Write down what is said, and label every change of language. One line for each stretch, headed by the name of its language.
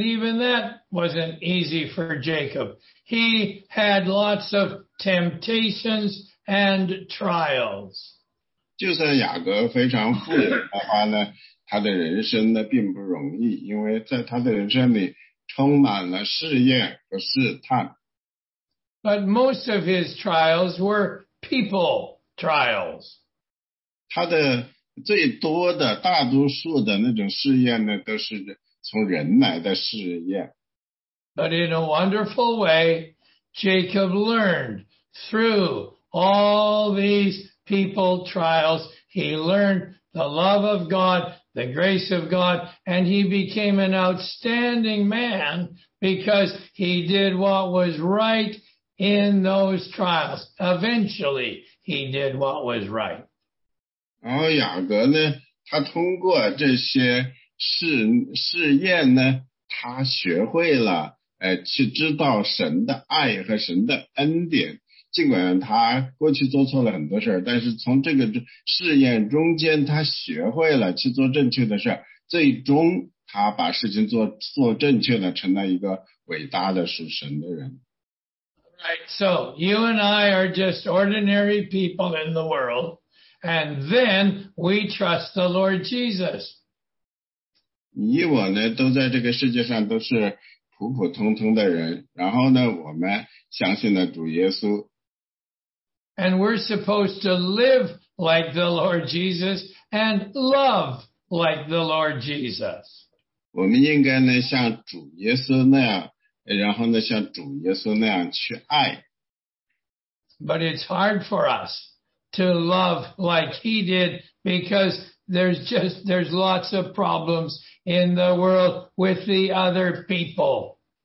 English: even that wasn't easy for Jacob. He had lots of temptations and trials.
Chinese: 就算雅各非常富有的话呢。他的人生呢并不容易, 因为在他的人生里充满了试验和试探。
English: But most of his trials were people trials.
Chinese: 他的最多的, 大多数的那种试验呢, 都是从人来的试验。
English: But in a wonderful way, Jacob learned through all these people trials, he learned the love of God, the grace of God, and he became an outstanding man because he did what was right in those trials. Eventually, he did what was right.
Chinese: 然后雅各呢, 他通过这些试验呢, 他学会了, 去知道神的爱和神的恩典。尽管他过去做错了很多事儿，但是从这个试验中间，他学会了去做正确的事儿。最终，他把事情做正确了，成了一个伟大的属神的人。
English: Right, so you and I are just ordinary people in the world, And then we trust the Lord Jesus.
Chinese: 你我呢都在这个世界上都是普普通通的人，然后呢，我们相信了主耶稣。
English: And we're supposed to live like the Lord Jesus and love like the Lord Jesus.
Chinese: 我们应该呢像主耶稣那样，然后呢像主耶稣那样去爱。
English: But it's hard for us to love like he did because there's lots of problems in the world with the other people.